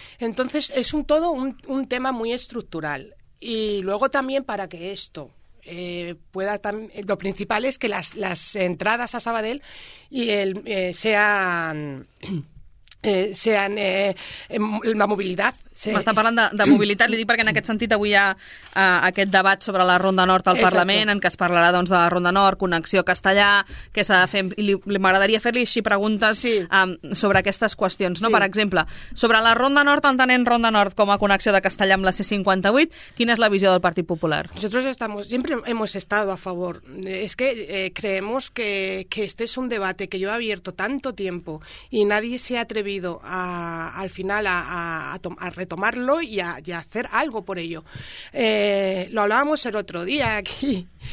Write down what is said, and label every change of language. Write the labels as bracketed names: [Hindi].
[Spanish] Entonces es un tema muy estructural. Y luego también, para que esto pueda, lo principal es que las entradas a Sabadell sean la movilidad. [Catalan] M'està parlant de mobilitat, li dic, perquè en aquest sentit avui hi ha aquest debat sobre la Ronda Nord al Parlament, en què es parlarà doncs de la Ronda Nord, connexió castellà, què s'ha de fer, i m'agradaria fer-li així preguntes sobre aquestes qüestions. No? Sí. Per exemple, sobre la Ronda Nord, entenent Ronda Nord com a connexió de castellà amb la C-58, quina és la visió del Partit Popular? [Spanish] Nosotros siempre hemos estado a favor. Es que creemos que este es un debate que yo he abierto tanto tiempo y nadie se ha atrevido al final a retomarlo y a hacer algo por ello. Lo hablábamos el otro día aquí.